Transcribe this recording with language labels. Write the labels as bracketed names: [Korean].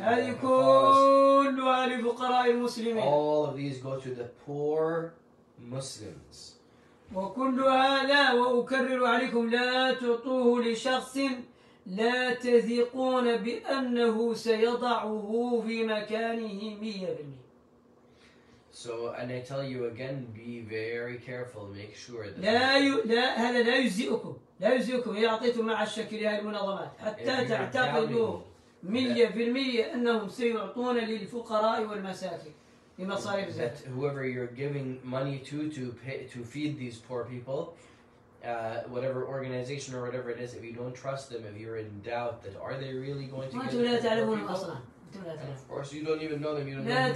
[Arabic] هذه كلها لفقراء المسلمين. [English] All of these go to the poor Muslims. [Arabic] وكل هذا وأكرر عليكم لا تعطوه لشخص لا تثقون بأنه سيضعه في مكانه 100%. [English] So and I tell you again, be very careful. Make sure that. [Arabic] لا ي لا هذا لا يجزئكم لا يجزئكم إذا أعطيتم مع الشكل هذه المنظمات حتى تعتقدوا 100% أنهم سيعطون للفقراء والمساكين. [English] That whoever you're giving money to pay, to feed these poor people, whatever organization or whatever it is, if you don't trust them, if you're in doubt that are they really going to give it to poor people, of course you don't even know them. You don't